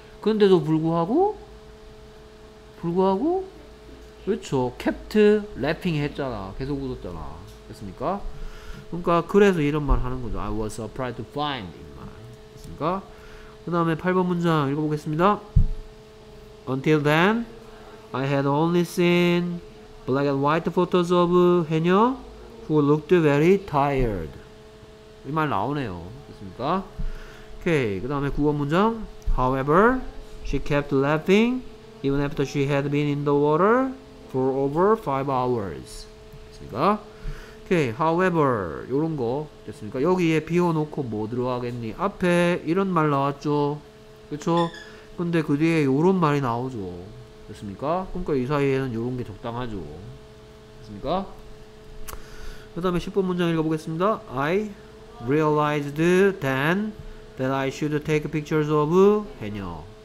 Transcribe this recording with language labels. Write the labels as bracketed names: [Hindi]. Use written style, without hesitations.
[Korean] 근데도 불구하고 그렇죠. [English] kept rapping [Korean] 했잖아. 계속 웃었잖아. 됐습니까? 그러니까 그래서 이런 말 하는 거죠. [English] I was surprised to find [Korean] 이 말. 됐습니까? 그 다음에 8번 문장 읽어보겠습니다. [English] Until then, I had only seen black and white photos of 해녀 who looked very tired. [Korean] 이 말 나오네요. 됐습니까? 오케이. 그 다음에 9번 문장. [English] However, she kept laughing even after she had been in the water for over 5 hours. [Korean] 됐습니까? Okay, however, 요런 거 됐습니까? 여기에 비워놓고 뭐 들어가겠니? 앞에 이런 말 나왔죠? 그쵸? 근데 그 뒤에 요런 말이 나오죠? 됐습니까? 그러니까 이 사이에는 요런 게 적당하죠? 됐습니까? 그 다음에 10번 문장 읽어보겠습니다. [English] I realized then that I should take pictures of 해녀.